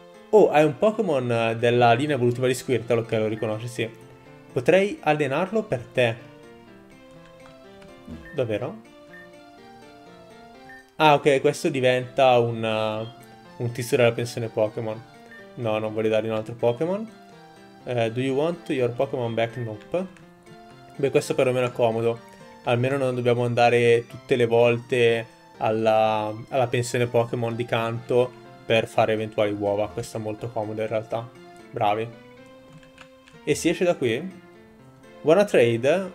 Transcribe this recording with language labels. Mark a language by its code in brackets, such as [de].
[it] Oh, hai un Pokémon della linea evolutiva di Squirtle che lo riconosce, sì. Potrei allenarlo per te. Davvero? Ah, ok, questo diventa un tizio della pensione Pokémon. No, non vuole dargli un altro Pokémon. [en] Do you want your Pokémon back? Nope. [it] Beh, questo perlomeno è comodo. Almeno non dobbiamo andare tutte le volte alla pensione Pokémon di Kanto per fare eventuali uova. Questo è molto comodo in realtà. Bravi. E si esce da qui? [en] Wanna trade?